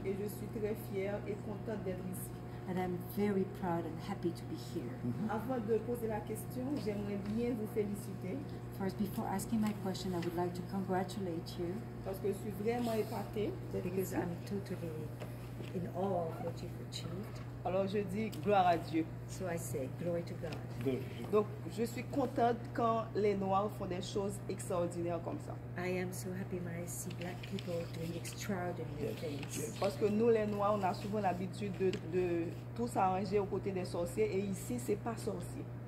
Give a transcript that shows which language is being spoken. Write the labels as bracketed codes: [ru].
[fr] Et je suis très fière et contente d'être ici. [en] And I'm very proud and happy to be here. [fr] Avant de poser la question, j'aimerais bien vous féliciter. [en] First, before asking my question, I would like to congratulate you. [fr] Parce que je suis vraiment épatée. [en] Because I'm totally in awe of what you've achieved. [fr] Alors je dis gloire à Dieu. [en] So I say glory to God. [fr] Donc je suis contente quand les Noirs font des choses extraordinaires comme ça. [en] I am so happy when I see black people doing extraordinary things. [fr] Parce que nous les Noirs, on a souvent l'habitude de tout s'arranger aux côtés des sorciers et ici c'est pas sorcier.